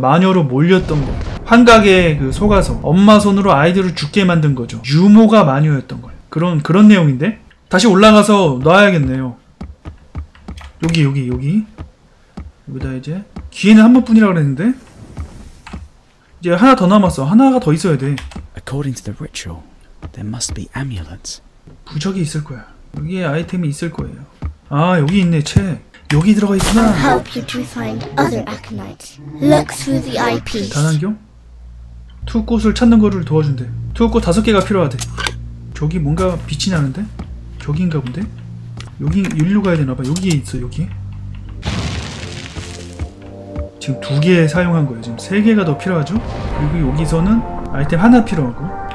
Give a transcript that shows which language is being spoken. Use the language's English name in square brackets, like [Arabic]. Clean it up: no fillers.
[Korean] 마녀로 몰렸던 거. 환각에 그 속아서 엄마 손으로 아이들을 죽게 만든 거죠. 유모가 마녀였던 거예요. 그런 내용인데. 다시 올라가서 놔야겠네요. 여기. 여기다 이제 기회는 한 번뿐이라고 그랬는데. 이제 하나 더 남았어. 하나가 더 있어야 돼. [English] According to the ritual, there must be amulets. [Korean] 부적이 있을 거야. 여기에 아이템이 있을 거예요. 아, 여기 있네, 책. 여기 들어가 있구나. [English] I'll help you to find other aconites. Look through the eyepiece. [Korean] 단안경? 투꽃을 찾는 거를 도와준대. 투꽃 다섯 개가 필요하대. 저기 뭔가 빛이 나는데? 저기인가 본데? 여기 여기로 가야 되나 봐. 여기에 있어, 여기. 지금 두 개 사용한 거예요. 지금 세 개가 더 필요하죠? 그리고 여기서는 아이템 하나 필요하고.